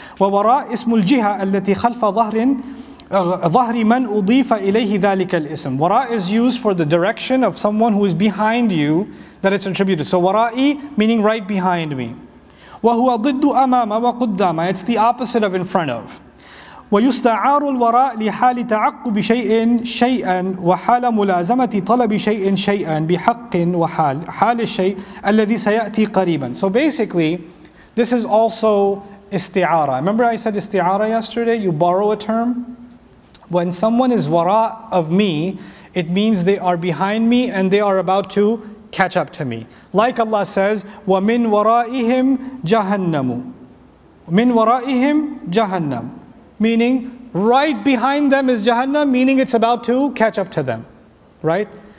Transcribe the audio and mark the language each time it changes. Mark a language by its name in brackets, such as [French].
[Arabic] وَوَرَاء إِسْمُ الْجِهَةِ الَّتِي خَلْفَ ظَهْرٍ ظَهْرِ مَنْ أُضِيفَ إِلَيْهِ ذَلِكَ الْإِسْمُ [English] Wara is used for the direction of someone who is behind you that it's attributed. So wara'i meaning right behind me. [Arabic] وَهُوَ ضِدُّ أَمَامَ وَقُدَّامَ [English] It's the opposite of in front of. [Arabic] وَيُسْتَعَارُ الْوَرَاءِ لِحَالِ تَعَقُّبِ شَيْءٍ شَيْئًا وَحَالَ مُلَازَمَةِ طَلَبِ شَيْءٍ شَيْئًا بِحَقٍ وَحَالِ الشَّيْءٍ الَّذِي سَيَأْتِي قَرِيبًا [English] So basically, this is also isti'ara. Remember I said isti'ara yesterday? You borrow a term? When someone is wara of me, it means they are behind me and they are about to catch up to me. Like Allah says, [Arabic] وَمِنْ وَرَائِهِمْ جَهَنَّمُ مِنْ وَرَائِهِمْ جَهَنَّمُ [English] Meaning, right behind them is Jahannam, meaning it's about to catch up to them, right?